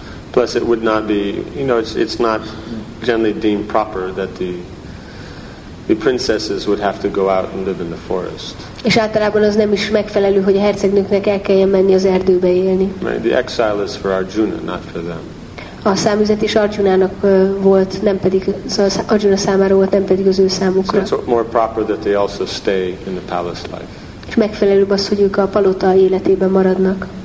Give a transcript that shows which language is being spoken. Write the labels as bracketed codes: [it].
[en] Plus it would not be, you know, it's not generally deemed proper that the princesses would have to go out and live in the forest. [hu] És általában az nem is megfelelő, hogy a hercegnőknek el kelljen menni az erdőbe élni. [en] Right, the exile is for Arjuna, not for them. [hu] A száműzet is Arjunának volt, nem pedig Arjuna számára volt, nem pedig az ő számukra. [en] So it's more proper that they also stay in the palace life. [hu] És megfelelőbb az, hogy ők a palota életében maradnak.